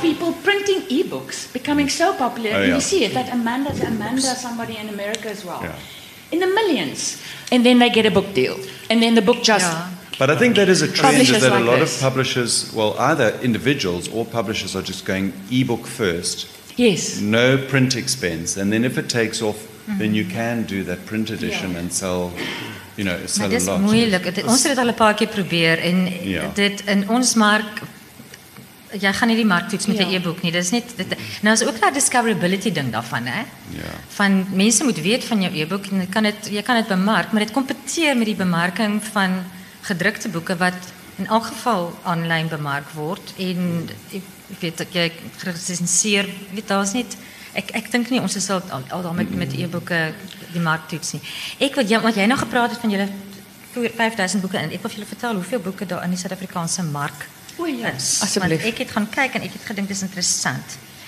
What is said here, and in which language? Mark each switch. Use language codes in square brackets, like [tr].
[en] people printing e-books becoming so popular. Oh, yeah. You see it, that Amanda, somebody in America as well, in the millions, and then they get a book deal, and then the book just... Yeah. But I think that is a trend, is that a lot of publishers, well, either individuals or publishers are just going ebook first. Yes. No print expense. And then if it takes off, then you can do that print edition and sell, you know, sell a lot. [af] Maar dit is moeilik. Ons het al 'n paar keer probeer en dit in ons mark, jy gaan nie die mark toets met 'n e-book nie. Dit is net, nou is ook daar discoverability ding daarvan, hè? Ja. Van mense moet weet van jou e-book en jy kan dit bemark, maar dit kompeteer met die bemarking van gedrukte boeke wat in elk geval online bemark word en ek weet ek recenseer, weet daar is net ek dink nie ons is al daar met e-boeke die mark toets nie. Ek wil want jy nou gepraat het van julle 5000 boeke en ek wil julle vertel hoeveel boeke daar in die Suid-Afrikaanse mark is. Asseblief. Want ek het gaan kyk en ek het gedink dis interessant.